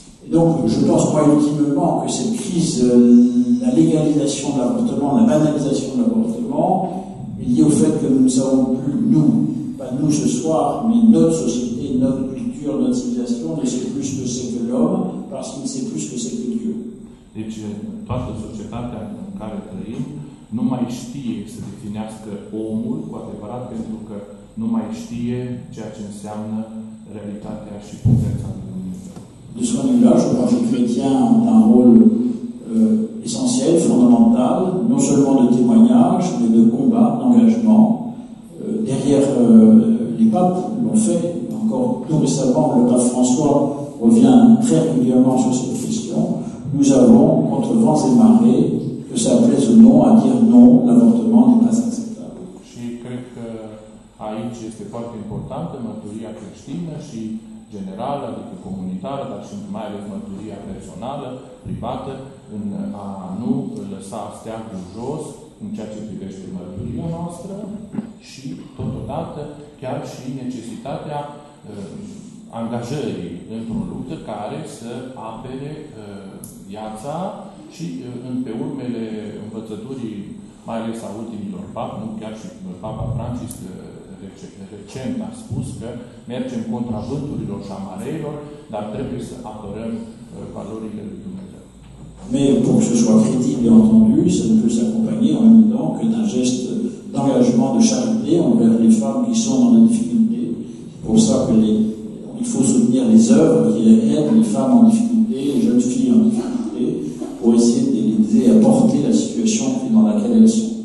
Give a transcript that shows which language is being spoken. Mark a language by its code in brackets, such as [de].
[fr] Donc, je pense pas ultimement que cette crise, la légalisation de l'avortement, la banalisation de l'avortement, est liée au fait que nous ne savons plus, nous, pas nous ce soir, mais notre société, notre culture, notre civilisation, ne sait plus ce que c'est que l'homme, parce qu'il ne sait plus ce que c'est que Dieu. [ro] Deci, toată societatea în care trăim, nu mai știe să definească omul cu adevărat, pentru că nu mai știe ceea ce înseamnă realitatea și puterea lui Dumnezeu. [fr] De ce moment-là, je pense que le chrétien a un rôle essentiel, fondamental, non seulement de témoignage, mais de combat, d'engagement. Derrière les papes l'ont fait, encore tout récemment, le pape François revient très régulièrement sur cette question. Nous avons, contre vents et marées, que ça plaise ou non, à dire non, l'avortement n'est pas acceptable. Je crois que ici est très importante, [ro] mărturia creștină și generală, adică comunitară, dar și mai ales mărturia personală, privată, în a nu lăsa steagul jos în ceea ce privește mărturia noastră și, totodată, chiar și necesitatea angajării într-o luptă care să apere viața și, în pe urmele învățăturii, mai ales a ultimilor papi, nu chiar și Papa Francis, recent a spus că mergem contra vânturilor și amareilor, dar trebuie să apărăm valorile lui Dumnezeu. [fr] Mais pour que ce soit crédible et entendu, ça ne peut s'accompagner en même temps que d'un geste d'engagement de charité envers les femmes qui sont dans la difficulté. Pour ça que il faut soutenir les œuvres qui aident les femmes en difficulté, les jeunes filles en difficulté, pour essayer de les aider à porter la situation dans laquelle elles sont.